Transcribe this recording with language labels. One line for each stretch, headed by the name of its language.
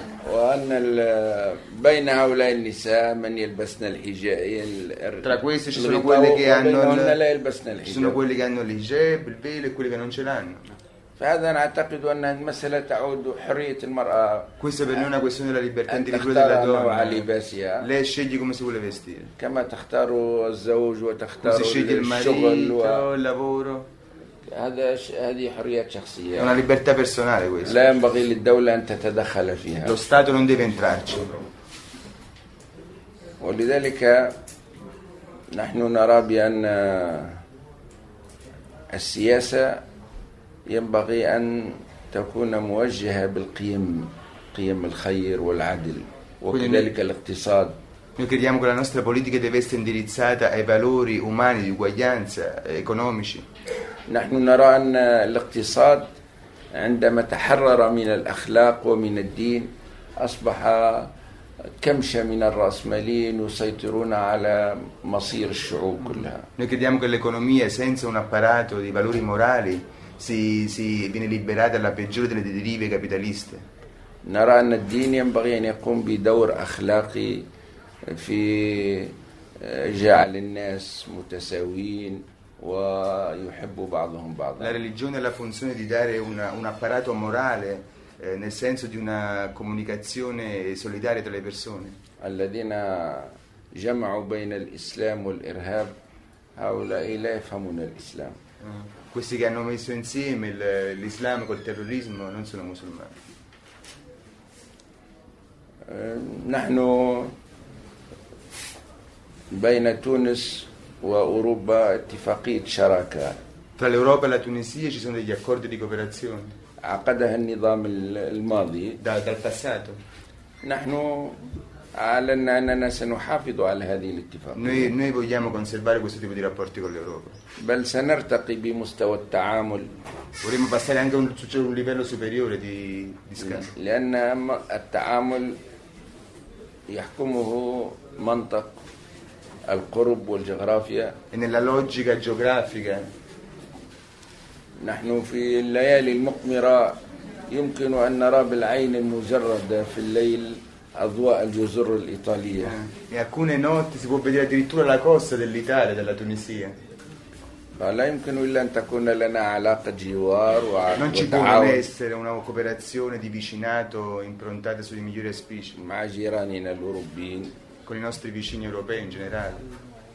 Arabic: وأن بين هؤلاء النساء من يلبسن الحجاب.
Italian: Tra queste ci sono quelle che hanno
Arabic: لا يلبسن الحجاب.
Italian: Ci sono quelle che hanno
Arabic: الحجاب الفيل
Italian: وquelle che non ce l'hanno.
Arabic: فهذا أعتقد أن المسألة تعود حرية المرأة.
Italian: Questa per noi è una questione della libertà individuale della donna.
Arabic: لباسها.
Italian: Lei sceglie come si vuole vestire.
Arabic: كما تختار الزوج وتختار الشغل
Italian: والlavoro.
Arabic: هذه حرية شخصية.
Italian: È una libertà personale questa.
Arabic: لا ينبغي للدولة أن تتدخل فيها.
Italian: Lo Stato non deve entrarci.
Arabic: ولذلك نحن نرى بأن السياسة ينبغي أن تكون موجهة بالقيم، قيم الخير والعدل، وكذلك الاقتصاد.
Italian: Noi crediamo che la nostra politica deve essere indirizzata ai valori umani di uguaglianza, economici.
Arabic: نحن نرى أن الاقتصاد عندما تحرر من الأخلاق ومن الدين أصبح كمشة من الرأسماليين يسيطرون على مصير الشعوب كلها.
Italian: Noi crediamo che l'economia senza un apparato di valori morali si viene liberata dalla peggiore delle derive capitaliste.
Arabic: نرى أن الدين ينبغي أن يقوم بدور أخلاقي في جعل الناس متساويين ويحب بعضهم بعضا.
Italian: La religione ha la funzione di dare un apparato morale nel senso di una comunicazione solidale tra le persone.
Arabic: الذين جمعوا بين الإسلام والإرهاب هؤلاء لا يفهمون الإسلام.
Italian: Questi che hanno messo insieme l'Islam col terrorismo non sono musulmani.
Arabic: نحن بين تونس وأوروبا اتفاقية شراكة.
Italian: Tra l'Europa e la Tunisia ci sono degli accordi di cooperazione.
Arabic: عقدها النظام الماضي.
Italian: Dal passato.
Arabic: نحن أعلنا أننا سنحافظ على هذه الاتفاقية.
Italian: Noi vogliamo conservare questo tipo di rapporti con l'Europa.
Arabic: بل سنرتقي بمستوى التعامل.
Italian: Vorremmo passare anche un livello superiore di scambio.
Arabic: لأن التعامل يحكمه منطق القرب والجغرافيا.
Italian: Nella logica geografica.
Arabic: نحن في الليالي المقمرة يمكن أن نرى بالعين المجردة في الليل أضواء الجزر الإيطالية.
Italian: E alcune notti si può vedere addirittura la costa dell'Italia, della Tunisia.
Arabic: لا يمكن إلا أن تكون لنا علاقة جوار وتعاون.
Italian: Non ci può essere una cooperazione di vicinato improntata sui migliori auspici.
Arabic: مع جيراننا الأوروبيين.
Italian: Con i nostri vicini europei in generale.